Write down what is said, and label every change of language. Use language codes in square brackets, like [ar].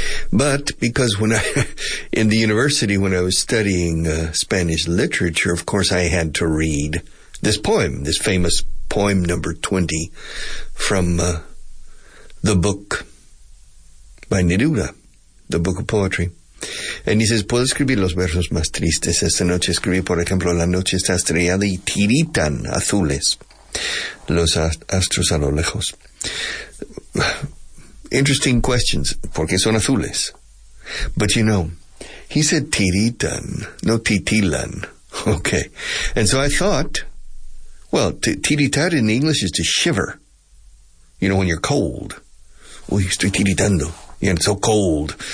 [en] But because when I, in the university, when I was studying Spanish literature, of course I had to read this poem, this famous poem number 20 from the book by Neruda, the book of poetry. And he says, [es] ¿puedo escribir los versos más tristes esta noche? Escribí, por ejemplo, la noche está estrellada y tiritan azules los astros a lo lejos. [en] Interesting questions, [es] porque son azules. [en] But you know, he said tiritan, no titilan. Okay. And so I thought, well, tiritar in English is to shiver. You know, when you're cold. [es] Uy, estoy tiritando. [en] Yeah, it's so cold.